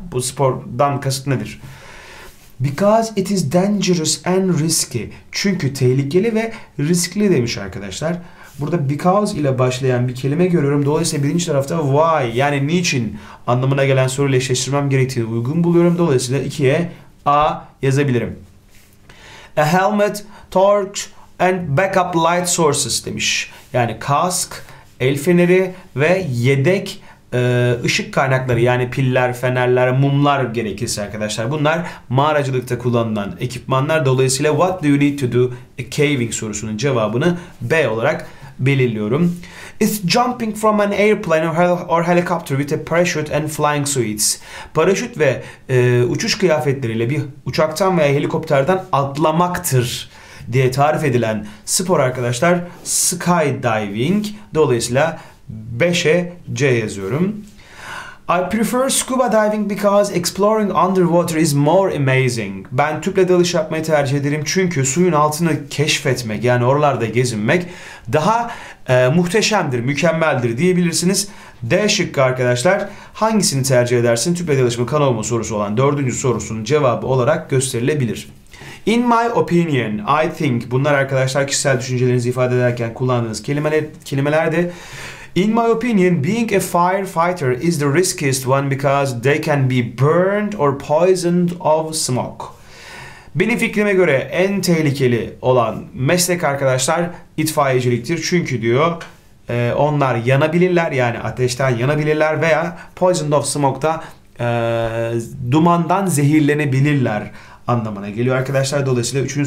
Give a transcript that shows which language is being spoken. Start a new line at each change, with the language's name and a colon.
Turkish: Bu spordan kasıt nedir?
English: Because it is dangerous and risky.
Turkish: Çünkü tehlikeli ve riskli demiş arkadaşlar. Burada because ile başlayan bir kelime görüyorum. Dolayısıyla birinci tarafta why yani niçin anlamına gelen soruyla eşleştirmem gerektiğini uygun buluyorum. Dolayısıyla 2'ye A yazabilirim.
English: A helmet, torch and backup light sources demiş.
Turkish: Yani kask, el feneri ve yedek ışık kaynakları yani piller, fenerler, mumlar gerekirse arkadaşlar. Bunlar mağaracılıkta kullanılan ekipmanlar. Dolayısıyla
English: what do you need to do a caving
Turkish: sorusunun cevabını B olarak belirliyorum.
English: It's jumping from an airplane or helicopter with a parachute and flying suits.
Turkish: Paraşüt ve uçuş kıyafetleriyle bir uçaktan veya helikopterden atlamaktır diye tarif edilen spor arkadaşlar skydiving. Dolayısıyla 5'e C yazıyorum.
English: I prefer scuba diving because exploring underwater is more amazing.
Turkish: Ben tüple dalış yapmayı tercih ederim çünkü suyun altını keşfetmek yani oralarda gezinmek daha muhteşemdir, mükemmeldir diyebilirsiniz. D şıkkı arkadaşlar hangisini tercih edersin? Tüple dalış mı, kano mu sorusu olan 4. sorusunun cevabı olarak gösterilebilir.
English: In my opinion, I think
Turkish: bunlar arkadaşlar kişisel düşüncelerinizi ifade ederken kullandığınız kelimelerdi.
English: In my opinion, being a firefighter is the riskiest one because they can be burned or poisoned of smoke.
Turkish: Benim fikrime göre en tehlikeli olan meslek arkadaşlar itfaiyeciliktir. Çünkü diyor onlar yanabilirler yani ateşten yanabilirler veya
English: poisoned of smoke
Turkish: da dumandan zehirlenebilirler anlamına geliyor arkadaşlar. Dolayısıyla 3.